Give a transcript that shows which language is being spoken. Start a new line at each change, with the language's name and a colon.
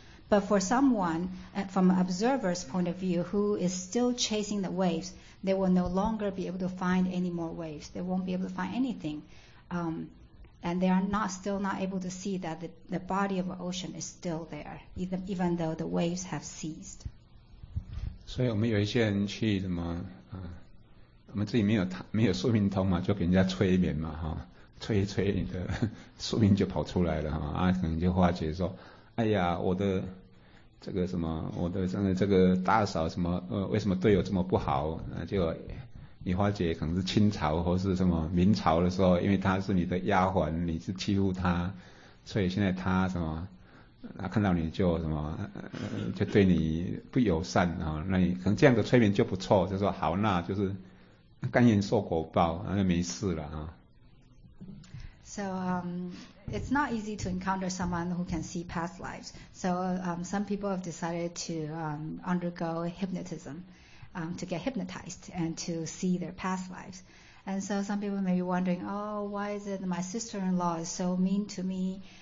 English: But for someone from an observer's point of view who is still chasing the waves, they will no longer be able to find any more waves. They won't be able to find anything. And they are still not able to see that the body of an ocean is still there, even though the waves have ceased.
Chinese: 所以我们有一些人去什么我们自己没有宿命通嘛，就给人家催眠嘛，催一催你的宿命就跑出来了，可能就化解说，哎呀，我的这个什么，我的这个大嫂什么，为什么对我这么不好？结果你化解可能是清朝或是什么明朝的时候，因为她是你的丫鬟，你是欺负她，所以现在她什么，她看到你就什么，就对你不友善啊。那你可能这样的催眠就不错，就说好，那就是甘愿受果报，那就没事了啊。
English: So, it's not easy to encounter someone who can see past lives. So, some people have decided to undergo hypnotism, to get hypnotized and to see their past lives. And so some people may be wondering, oh, why is it my sister-in-law is so mean to me?